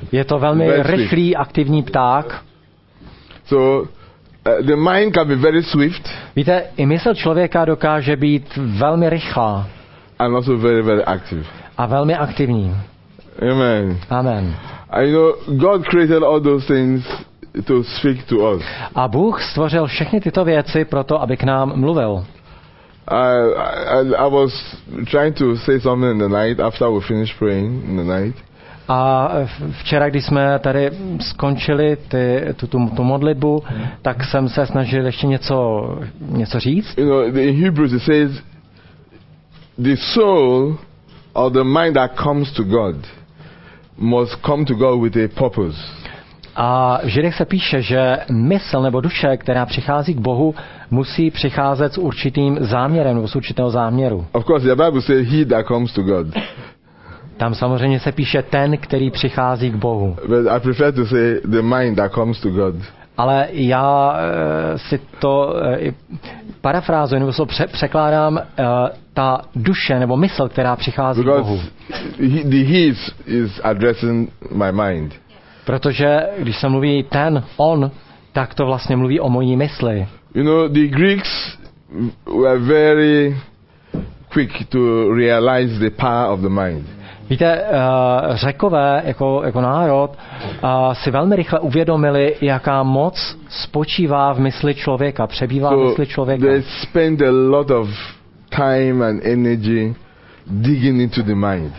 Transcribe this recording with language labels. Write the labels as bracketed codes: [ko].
[cs] Je to velmi rychlý, aktivní pták. [en] So. The mind can be very swift. [cs] Víte, i mysl člověka dokáže být velmi rychlá. [en] And also very, very active. [cs] A velmi aktivní. [en] Amen. [cs] Amen. [en] And you know, God created all those things to speak to us. [cs] A Bůh stvořil všechny tyto věci proto, aby k nám mluvil. [en] I was trying to say something in the night after we finished praying in the night. [cs] A včera, když jsme tady skončili tu modlitbu, tak jsem se snažil ještě něco říct. [en] You know, in Hebrews it says the soul or the mind that comes to God must come to God with a purpose. [cs] A v Židech se píše, že mysl nebo duše, která přichází k Bohu, musí přicházet s určitým záměrem nebo s určitého záměru. [en] Of course, the Bible says he that comes to God. [cs] Tam samozřejmě se píše ten, který přichází k Bohu. [en] But I prefer to say the mind that comes to God. [cs] Ale já si to parafrázuji, nebo se překládám ta duše nebo mysl, která přichází [en] Because [cs] k Bohu. [en] He is addressing my mind. [cs] Protože když se mluví ten, on, tak to vlastně mluví o mojí mysli. [en] You know, the Greeks were very quick to realize the power of the mind. [cs] Víte, Řekové jako národ si velmi rychle uvědomili, jaká moc spočívá v mysli člověka, přebývá [en] so [cs] v mysli člověka. [en] They spend a lot of time and energy digging into the mind.